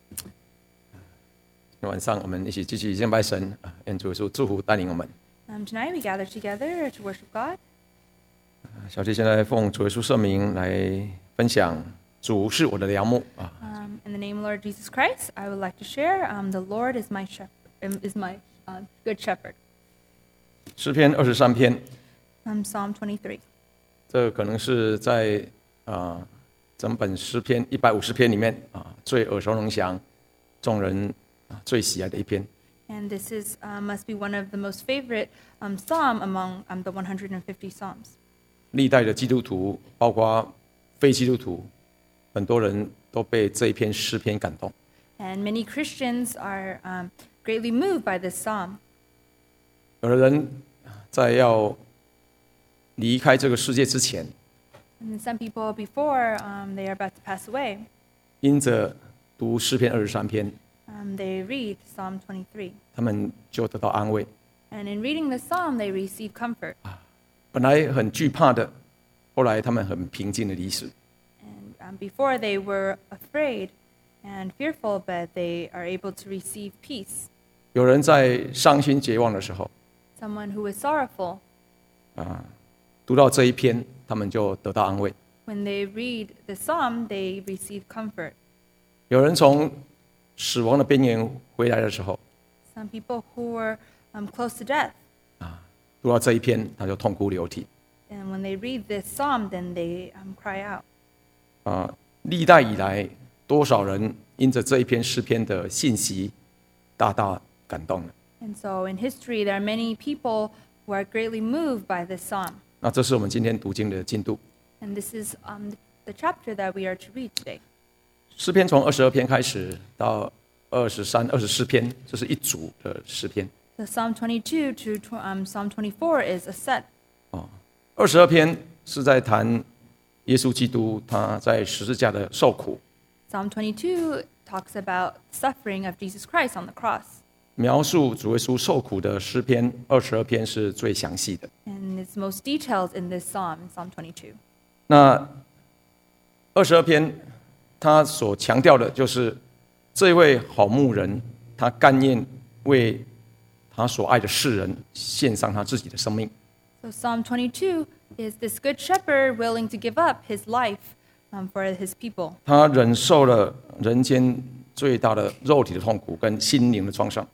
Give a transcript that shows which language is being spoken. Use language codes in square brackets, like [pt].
[zh] 今天晚上我们一起继续敬拜神，愿主耶稣祝福带领我们。 [en] Tonight we gather together to worship God. [zh] 小弟现在奉主耶稣圣名来分享，主是我的良牧。 [en] In the name of Lord Jesus Christ, I would like to share. The Lord is my shepherd, good shepherd. [zh] 诗篇二十三篇。 [en] Psalm 23. [zh] 这可能是在整本诗篇一百五十篇里面最耳熟能详、众人最喜爱的一篇。 [en] And this is must be one of the most favorite psalm among the 150 psalms. [zh] 历代的基督徒，包括非基督徒，很多人都被这一篇诗篇感动。 [en] And many Christians are greatly moved by this psalm. [zh] 有的人在要离开这个世界之前。 [en] And some people before they are about to pass away. [zh] 因着读诗篇二十三篇， [en] they read Psalm 23. [zh] 他们就得到安慰。 [en] And in reading the psalm, they receive comfort. [zh] 本来很惧怕的，后来他们很平静的离世。 [en] And before they were afraid and fearful, but they are able to receive peace. [zh] 有人在伤心绝望的时候， [en] someone who is sorrowful. [zh] 读到这一篇，他们就得到安慰。 [en] When they read the psalm, they receive comfort. [zh] 有人从死亡的边缘回来的时候， [en] some people who were close to death, [zh] 读到这一篇，他就痛哭流涕。 [en] And when they read this psalm, then they cry out. [zh] 历代以来，多少人因着这一篇诗篇的信息，大大感动了。 [en] And so in history, there are many people who are greatly moved by this psalm. [zh] 那这是我们今天读经的进度。 [en] And this is the chapter that we are to read today. [zh] 诗篇从二十二篇开始到二十三、二十四篇，这是一组的诗篇。 [en] The Psalm 22 to Psalm 24 is a set. [zh] 二十二篇是在谈耶稣基督他在十字架的受苦。 [en] Psalm 22 talks about suffering of Jesus Christ on the cross. [zh] 描述主耶稣受苦的诗篇二十二篇是最详细的。 [en] And it's most detailed in this Psalm, Psalm 22. [zh] 那二十二篇他所强调的就是这位好牧人，他甘愿为他所爱的世人献上他自己的生命。 [en] So Psalm 22 is this good shepherd willing to give up his life for his people. [zh] 他忍受了人间最大的肉体的痛苦跟心灵的创伤。